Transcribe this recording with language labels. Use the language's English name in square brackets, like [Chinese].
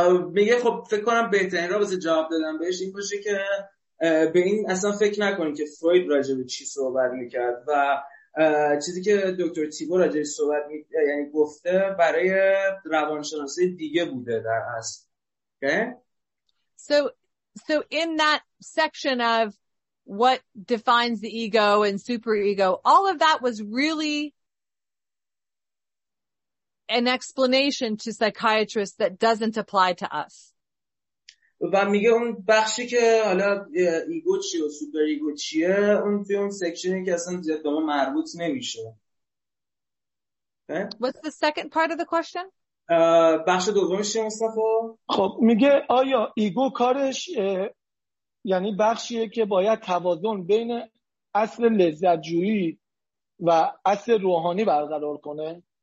[Persian] میگه خب فکر کنم بهترین رابطه جواب دادم بهش این باشه که به این اصلا فکر نکنید که فروید راجع به چی صحبت میکرد و چیزی که دکتر تیبو راجع به صحبت میکرد یعنی گفته برای روانشناسی دیگه بوده در اصل. [English] Okay? So in that section of what defines the ego and superego, all of that was really an explanation to psychiatrists that doesn't apply to us. [Persian] و میگه اون بخشی که حالا ایگو چیه و سوپر ایگو چیه اون توی اون سکشنی که اصلا زیاد به ما مربوط نمیشه. [English] What's the second part of the question? [Persian] بخش دومش چیه مصطفی؟ خب میگه آیا ایگو کارش یعنی بخشیه که باید توازن بین اصل لذت جویی و اصل روحانی برقرار کنه؟